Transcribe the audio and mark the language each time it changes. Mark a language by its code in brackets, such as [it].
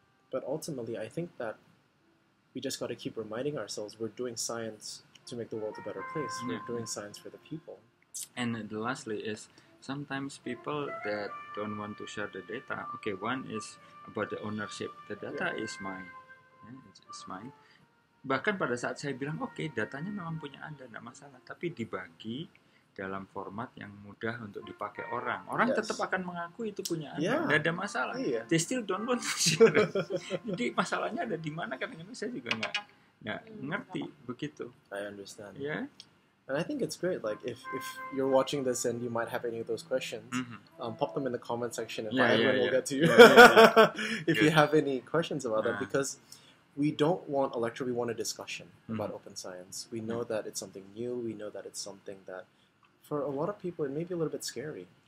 [en] But ultimately, I think that we just got to keep reminding ourselves we're doing science to make the world a better place. Yeah. We're doing science for the people. And lastly is, sometimes people that don't want to share the data, okay, one is about the ownership. The data is mine. Yeah, it's mine. [id] Bahkan pada saat saya bilang, okay, datanya memang punya Anda, enggak masalah. Tapi dibagi dalam format yang mudah untuk dipakai orang. Orang tetap akan mengaku itu punya Anda. [en] Yeah. [id] Enggak ada masalah. [en] Yeah. They still don't want to share. [id] Jadi masalahnya ada di mana, kadang-kadang saya juga enggak ngerti. Begitu. [en] I understand. Yeah. And I think it's great, like, if you're watching this and you might have any of those questions, pop them in the comment section and everyone will get to you. If you have any questions about that, because we don't want a lecture, we want a discussion about open science. We know that it's something new, we know that it's something that, for a lot of people, it may be a little bit scary.